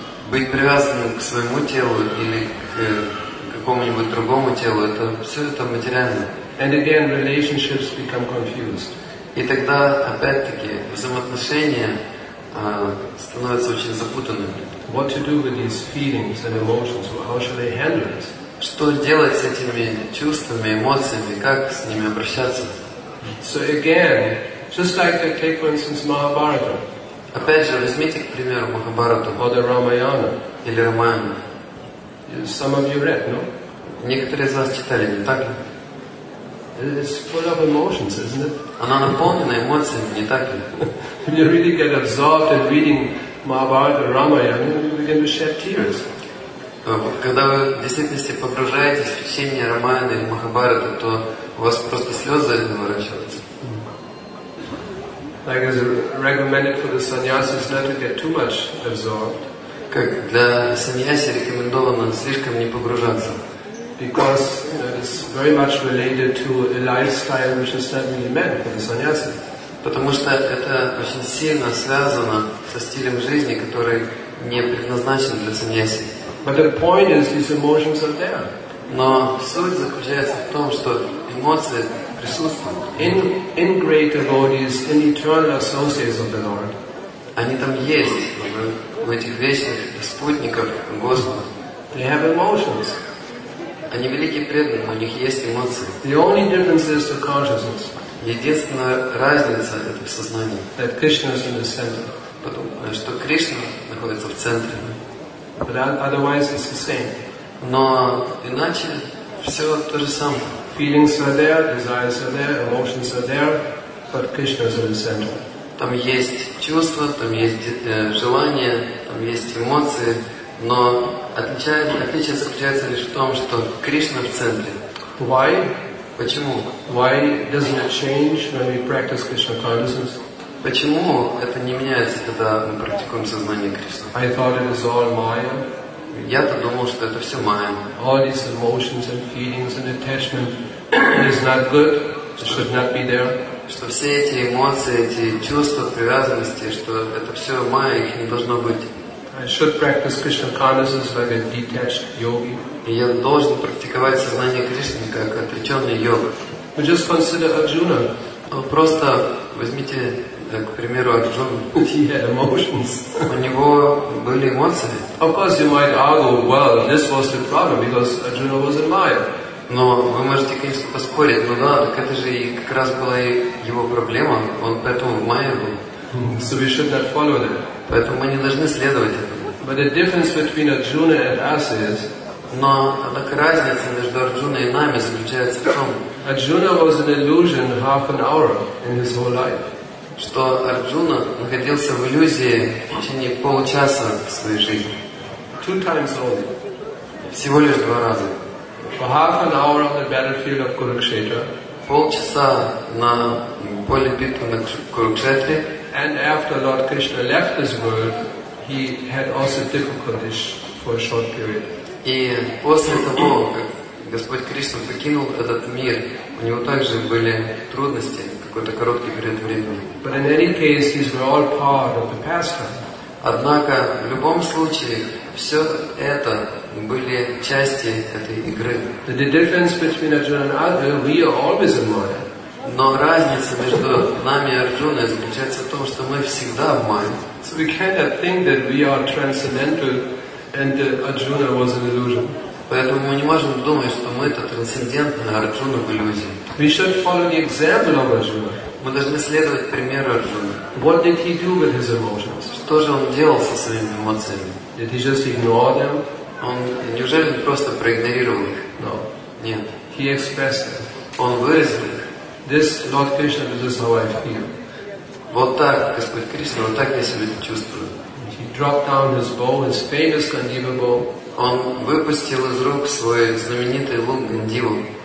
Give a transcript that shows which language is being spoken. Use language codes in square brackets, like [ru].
[ru] Быть привязанным к своему телу или к какому-нибудь другому телу, это все это материально. [en] And again, relationships become confused. [ru] И тогда, опять-таки, взаимоотношения становятся очень запутанными. [en] What to do with these feelings and emotions? How should they handle it? [ru] Что делать с этими чувствами, эмоциями? Как с ними обращаться? [en] So again, just like they take, for instance, Mahabharata. [ru] Опять же, возьмите, к примеру, Махабхарату. [en] Or the Ramayana. [ru] Или Рамаяну. [en] Some of you read, no? [ru] Некоторые из вас читали, не так ли? [en] It's full of emotions, isn't it? [ru] Она наполнена эмоциями, не так ли? [en] When you really get absorbed in reading Mahabharata or Ramayana, you begin to shed tears. [ru] Когда вы в действительности погружаетесь в чтение Рамаяны или Махабхараты, то у вас просто слезы наворачиваются. [en] Like it's recommended for the sannyasis not to get too much absorbed. [ru] Как для саньяси рекомендовано слишком не погружаться. [en] Because that is very much related to a lifestyle which is certainly meant for the sannyasi. [ru] Потому что это очень сильно связано со стилем жизни, который не предназначен для саньяси. [en] But the point is, these emotions are there. [ru] Но суть заключается в том, что эмоции присутствуют. [en] In great devotees, in eternal associates of the Lord. [ru] Они там есть, в этих вечных спутников Господа. [en] They have emotions. [ru] Они великие преданные, у них есть эмоции. [en] The only difference is the consciousness. [ru] Единственная разница — это в сознании. [en] That Krishna is in the center. [ru] Потом, что Кришна находится в центре. [en] But otherwise, it's the same. [ru] Но иначе все то же самое. [en] Feelings are there, desires are there, emotions are there, but Krishna is in the center. [ru] Там есть чувства, там есть желания, там есть эмоции, но отличие заключается лишь в том, что Кришна в центре. [en] Why? [ru] Почему? [en] Why doesn't it change when we practice Krishna consciousness? [ru] Почему это не меняется, когда мы практикуем сознание Кришны? [en] I thought it was all Maya. [ru] Я-то думал, что это все Maya. [en] All these emotions and feelings and attachment is not good. It should not be there. [ru] Что все эти эмоции, эти чувства, привязанности, что это все Maya, их не должно быть. [en] I should practice Krishna consciousness like a detached yogi. [ru] И я должен практиковать сознание Кришны как отреченный йог. [en] But just consider Arjuna. [ru] Просто возьмите, к примеру, Арджуну. [en] He had emotions. [ru] У него были эмоции. [en] Of course, you might argue, well, this was the problem because Arjuna was in Maya. [ru] Но вы можете, конечно, поспорить, ну да, так это же и как раз была и его проблема, он поэтому в Майе был. [en] So we should not follow that. [ru] Поэтому мы не должны следовать этому. [en] But the difference between Arjuna and us is. [ru] Но однако разница между Арджуной и нами заключается в том. [en] Arjuna was an illusion half an hour in his whole life. [ru] Что Арджуна находился в иллюзии в течение получаса в своей жизни. [en] Two times only. [ru] Всего лишь два раза. [en] For half an hour on the battlefield of Kurukshetra. [ru] Полчаса на поле битвы на Курукшетре. [en] And after Lord Krishna left this world, he had also difficulties for a short period. [ru] И после того, как Господь Кришна покинул этот мир, у него также были трудности какой-то короткий период времени. [en] But in any case, these were all part of the pastime. [ru] Однако в любом случае все это были части этой игры. [en] The difference between Arjuna and Arjuna, we are always in Maya. [ru] Но разница между нами и Арджуной заключается в том, что мы всегда в Майе. [en] So we cannot think that we are transcendental and that Arjuna was an illusion. [ru] Поэтому мы не можем думать, что мы это трансцендентное, Арджуна в иллюзии. [en] We should follow the example of Arjuna. [ru] Мы должны следовать примеру Арджуны. [en] What did he do with his emotions? [ru] Что же он делал со своими эмоциями? [en] Did he just ignore them? [ru] Он неужели просто проигнорировал их? [en] No. [ru] Нет. [en] He expressed them. [ru] Он выразил их. [en] This Lord Krishna, this is how I feel. [ru] Вот так Господь Кришна, вот так я себя чувствую. [en] He dropped down his bow, his famous Gandiva bow. [ru] Он выпустил из рук свой знаменитый лук Гандиву.